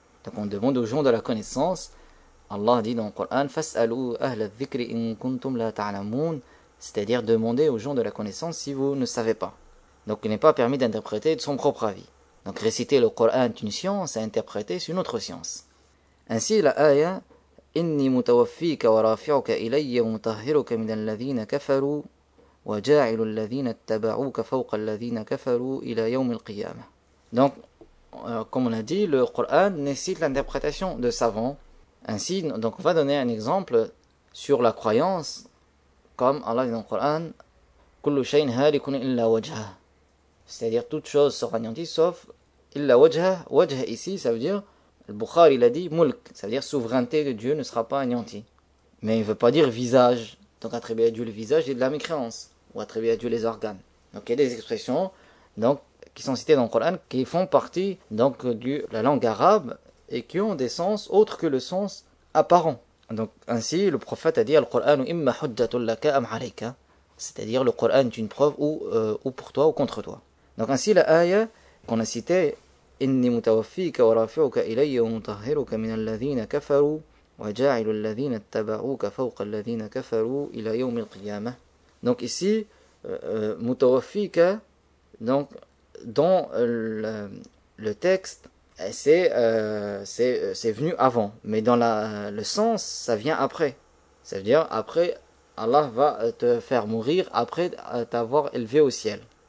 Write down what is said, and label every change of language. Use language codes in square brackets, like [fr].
[fr] Donc on demande aux gens de la connaissance. Allah dit dans le Coran, [ar] fas'alou ahla dhikri in kuntum la ta'lamoun, [fr] c'est-à-dire, demandez aux gens de la connaissance si vous ne savez pas. Donc il n'est pas permis d'interpréter de son propre avis. Donc réciter le Coran est une science, à interpréter c'est une autre science. Ainsi, la ayah, [ar] إني متوفيك ورافعك إلي ومطهرك من الذين كفروا وجاعل الذين اتبعوك فوق الذين كفروا إلى يوم القيامة. [fr] Donc, comme on a dit, le Coran nécessite l'interprétation de savants. Ainsi, donc on va donner un exemple sur la croyance, comme Allah dit dans le Coran, [ar] كل شيء هالك إلا وجهه. [fr] C'est-à-dire, toute chose sera anéantie sauf [ar] إلا وجهه. [fr] وجه ici, ça veut dire. Le Bukhari, il a dit mulk, c'est-à-dire souveraineté de Dieu ne sera pas anéantie. Mais il ne veut pas dire visage. Donc attribuer à Dieu le visage est de la mécréance. Ou attribuer à Dieu les organes. Donc il y a des expressions donc, qui sont citées dans le Coran qui font partie donc de la langue arabe et qui ont des sens autres que le sens apparent. Donc ainsi, le prophète a dit [ar] al Coran imma huddatun laka am alayka. [fr] C'est-à-dire le Coran est une preuve ou pour toi ou contre toi. Donc ainsi, la ayah qu'on a citée. [ar] إني متوفيك ورافعك إلي ومطهرك من الذين كفروا وجاعل الذين اتبعوك فوق الذين كفروا إلى يوم القيامة. [fr] Donc ici, mutawafika, donc dans le texte, c'est venu avant, mais dans le sens, ça vient après. Ça veut dire après, Allah va te faire mourir après t'avoir élevé au ciel.